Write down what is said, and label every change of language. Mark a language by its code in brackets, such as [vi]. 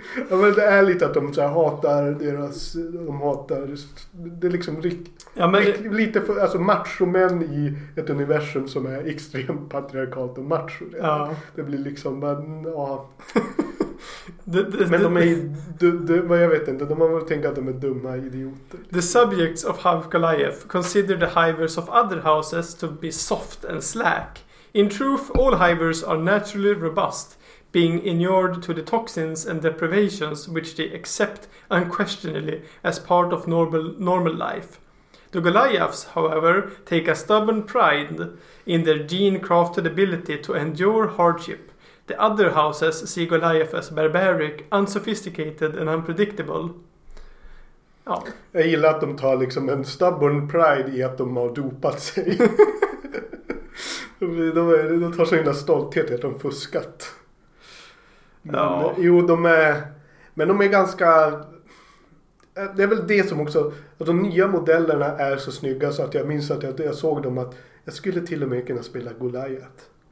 [sv] Ja, men det är lite att de så här hatar deras, de hatar, det är liksom lite för, alltså machomän i ett universum som är extremt patriarkalt och macho. Ja. Det blir liksom, men ja. men de är, vad jag vet inte, de har väl tänkt att de är dumma idioter. [en] The subjects of House Goliath consider the hivers of other houses to be soft and slack. In truth, all hivers are naturally robust, being inured to the toxins and deprivations which they accept unquestionably as part of normal life. The Goliaths, however, take a stubborn pride in their gene-crafted ability to endure hardship. The other houses see Goliath as barbaric, unsophisticated and unpredictable. [sv] Ja. Jag gillar att de tar liksom en [en] stubborn pride [sv] i att de har dopat sig. de tar sig en stolthet i att de fuskat. Men, ja. Jo, de är, men de är ganska, det är väl det som också, att de nya modellerna är så snygga så att jag minns att jag såg dem att jag skulle till och med kunna spela Goliath.